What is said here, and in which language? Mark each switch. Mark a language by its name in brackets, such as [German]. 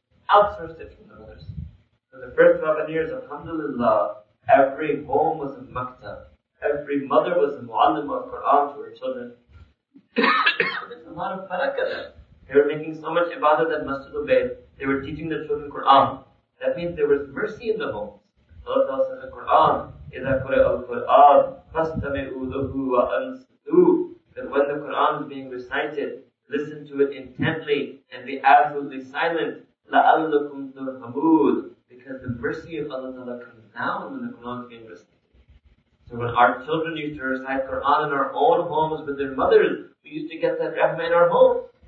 [English] Outsourced it from the mothers. For the first 11 years, alhamdulillah, every home was a maktab. Every mother was a mu'allim of Quran to her children. There's a lot of barakah there. They were making so much ibadah that Masjid al-Bayt. They were teaching the children Quran. That means there was mercy in the homes. Allah tells us in the Quran, [Arabic] إِذَا قُرِئَ الْقُرْآنِ فَاسْتَمِعُوا لَهُ وَأَنْصِتُوا. [English] That when the Quran is being recited, listen to it intently and be absolutely silent. [Arabic] لَأَلَّكُمْ تُرْحَمُونَ. [English] Because the mercy of Allah Ta'ala comes down when the Quran is being recited. So when our children used to recite Quran in our own homes with their mothers, we used to get that rahmah in our home.